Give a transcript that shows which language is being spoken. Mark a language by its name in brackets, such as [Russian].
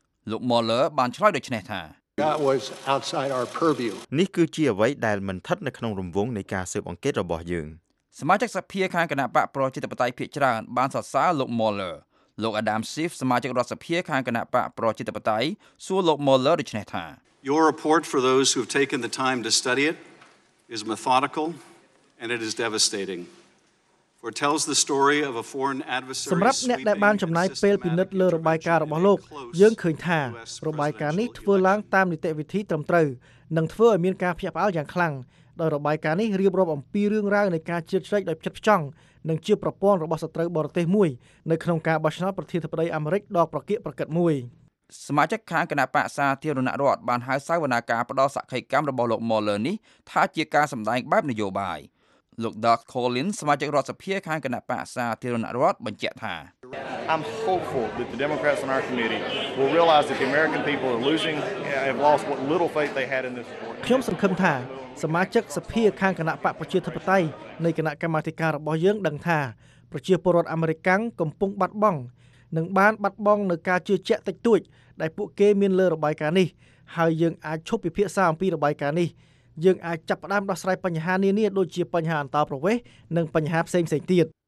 [Khmer] លោក Mueller បានឆ្លើយដូចនេះថា [English] That was outside our purview. [Khmer] នេះគឺជាអ្វីដែលមិនស្ថិតនៅក្នុងរង្វង់នៃការស៊ើបអង្កេតរបស់យើង ។សមាជិកសភាខាងគណៈបកប្រជាធិបតេយ្យភាគច្រើនបានសរសើរលោក Mueller លោក Adam Schiff សមាជិករដ្ឋសភាខាងគណៈបកប្រជាធិបតេយ្យសួរលោក Mueller ដូចនេះថា [English] Your report for those who have taken the time to study it is methodical and it is devastating. Or tells the story of a foreign adversary. [Khmer] សម្រាប់អ្នកដែលបានចំណាយពេលពិនិត្យលើរបាយការណ៍របស់លោកយើងឃើញថារបាយការណ៍នេះធ្វើឡើងតាមនីតិវិធីត្រឹមត្រូវនិងធ្វើឲ្យមានការភ្ញាក់ផ្អើលយ៉ាងខ្លាំងដោយរបាយការណ៍នេះរៀបរាប់អំពីរឿងរ៉ាវនៃការជ្រៀតជ្រែកដោយផ្ចិតផ្ចង់និងជាប្រព័ន្ធរបស់សត្រូវបរទេសមួយនៅក្នុងការបោះឆ្នោតប្រធានាធិបតីអាមេរិកដ៏ប្រកៀកប្រកិតមួយ សមាជិកខាងគណៈបក្សសាធារណរដ្ឋបានហៅសវនាការផ្ដល់សក្ខីកម្មរបស់លោក Mueller នេះថាជាការសម្ដែងបែបនយោបាយលោក Doc Collins សមាជិករដ្ឋសភាខាងគណៈបក្សសាធារណរដ្ឋបញ្ជាក់ថា [English] I'm hopeful that the Democrats on our committee will realize that the American people are losing have lost what little faith they had in this report [Khmer] ខ្ញុំសង្ឃឹមថាសមាជិកសភាខាងគណៈបក្សប្រជាធិបតេយ្យនៃគណៈកម្មាធិការរបស់យើងដឹងថាប្រ្រជាពលរដ្ឋអាមេរិកាំងកំពុងបាត់បង់និងបានបាត់បង់នៅការជឿជាក់តិចតួចដែលពួកគេមានលើរបាយការណ៍នេះហើយយើងអាចឈប់ពិភាក្សាអំពីរបាយការណ៍នេះយើងអាចចាប់ផ្ដើមដោះស្រាយបញ្ហានានាដូចជាបញ្ហាអន្តរប្រវេសន៍និងបញ្ហាផ្សេងៗទៀត